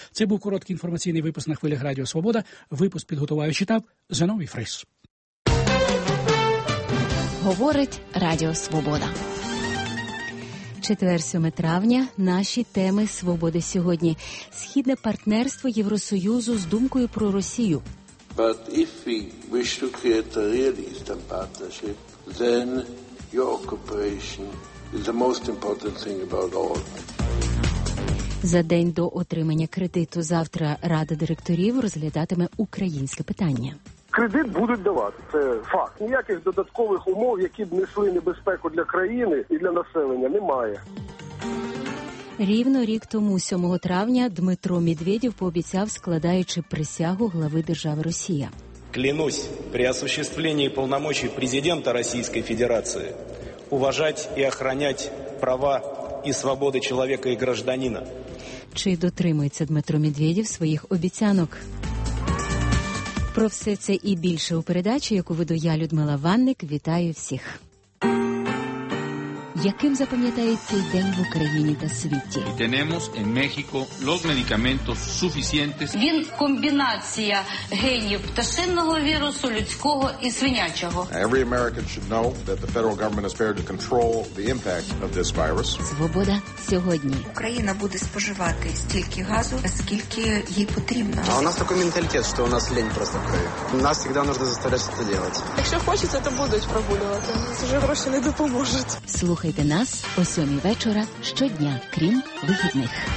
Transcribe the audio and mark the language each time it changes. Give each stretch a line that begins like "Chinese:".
Ukrainian: Це був короткий інформаційний випуск на хвилях Радіо Свобода. Випуск підготував і читав Зиновій Фрис. Говорить Радіо Свобода. Четвер, 7 травня. Наші теми свободи сьогодні. Східне партнерство Євросоюзу з думкою про Росію.
English: But if we wish to create a real Eastern partnership, then your cooperation is the most important thing about all.
Ukrainian: За день до отримання кредиту завтра Рада директорів розглядатиме українське питання. Кредит будуть давати, це факт. Ніяких додаткових умов, які б несли небезпеку для країни і для населення, немає. Рівно рік тому, 7 травня, Дмитро Медведєв пообіцяв, складаючи присягу глави держави Росія.
Russian: Клянусь при осуществлении полномочий президента Российской Федерации уважать и охранять права и свободы человека и гражданина.
Ukrainian: Чи дотримується Дмитро Медведєв своїх обіцянок? Про все це і більше у передачі, яку веду я, Людмила Ванник. Вітаю всіх. Яким запам'ятається день в Україні та світі?
Spanish: Tenemos en México los medicamentos suficientes.
Ukrainian: Він комбінація генів пташиного вірусу, людського і свинячого.
English: Every American should know that the federal government is prepared to control the impact of this virus.
Ukrainian: Свобода сьогодні. Україна буде споживати стільки газу, скільки їй потрібно. А у нас такий менталітет, що у нас лінь просто крає. Нас завжди потрібно заставляти це робити. Якщо хочеться, то будуть прогулювати. Це вже гроші не допоможуть. Слухайте нас о 7 вечора щодня, крім вихідних.